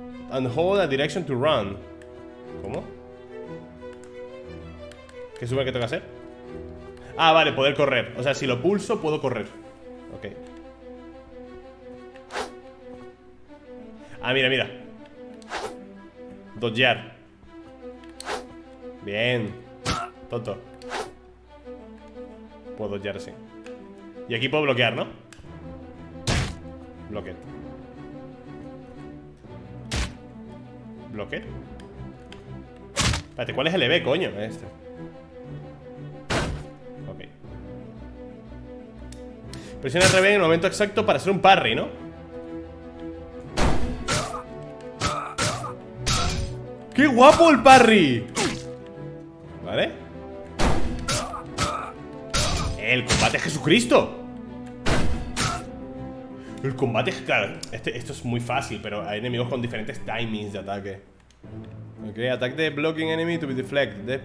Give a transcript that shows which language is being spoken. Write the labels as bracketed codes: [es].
[en] And hold a direction to run. [es] ¿Cómo? ¿Qué supone que tengo que hacer? Ah, vale, poder correr. O sea, si lo pulso, puedo correr. Ok. Ah, mira, mira. Dodgear. Bien. Tonto. Puedo dodgear así. Y aquí puedo bloquear, ¿no? Bloquear. ¿Bloque? Espérate, ¿cuál es el EB, coño? Este. Ok. Presiona RB en el momento exacto para hacer un parry, ¿no? ¡Qué guapo el parry! ¿Vale? ¡El combate a Jesucristo! El combate es... Claro, esto es muy fácil, pero hay enemigos con diferentes timings de ataque. [en] Ok, attack the blocking enemy to be deflect.